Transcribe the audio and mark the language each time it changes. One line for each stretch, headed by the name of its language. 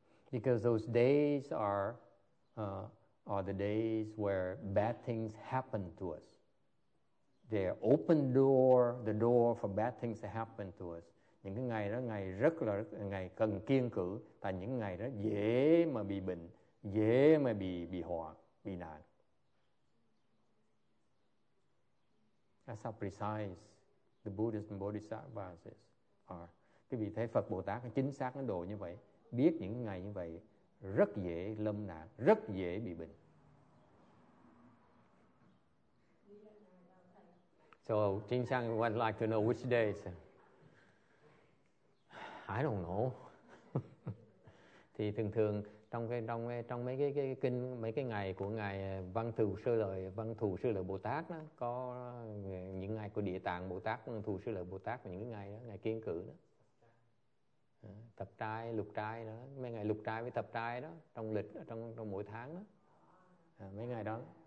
English: Because those days are the days where bad things happen to us. They open the door for bad things to happen to us.
Vietnamese: Những cái ngày đó ngày rất là ngày cần kiêng cử, tại những ngày đó dễ mà bị bệnh. Dễ mà bị họa, bị nạn.
English: That's how precise the Buddhist and Bodhisattvas are.
Vietnamese: Quý vị thấy Phật Bồ Tát chính xác Ấn Độ như vậy. Biết những ngày như vậy rất dễ lâm nạn, rất dễ bị bệnh.
English: So, Trinh Sang would like to know which days. I don't know.
Vietnamese: Thì thường thường trong mấy cái kinh, mấy cái ngày của ngài Văn Thù Sư Lợi Bồ Tát đó, có những ngày của Địa Tạng Bồ Tát, Văn Thù Sư Lợi Bồ Tát, và những cái ngày đó, ngày kiên cử đó, thập trai, lục trai đó, mấy ngày lục trai với thập trai đó, trong lịch đó, trong mỗi tháng đó, mấy ngày đó.